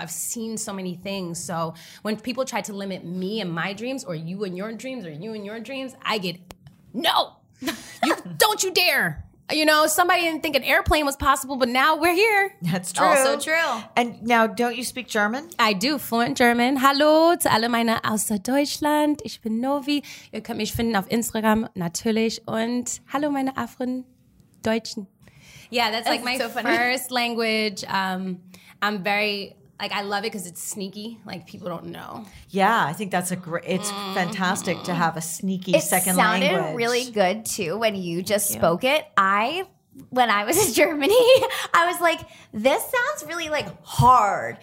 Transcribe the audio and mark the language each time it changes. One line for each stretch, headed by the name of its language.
English: I've seen so many things. So when people try to limit me and my dreams or you and your dreams or you and your dreams, I get, no, you, don't you dare. You know, somebody didn't think an airplane was possible, but now we're here. That's true. Also true. And now, don't you speak German? I do, fluent German.
German: Hallo zu alle meine aus Deutschland. Ich bin Novi. Ihr könnt mich finden auf Instagram, natürlich. Und hallo meine Afro-Deutschen.
English: Yeah, that's like my first language. I'm very, like, I love it because it's sneaky. Like, people don't know. Yeah, I think that's a great, it's fantastic to have a sneaky second language. It sounded really good, too, when you just spoke it. When I was in Germany, I was like, this sounds really, like, hard.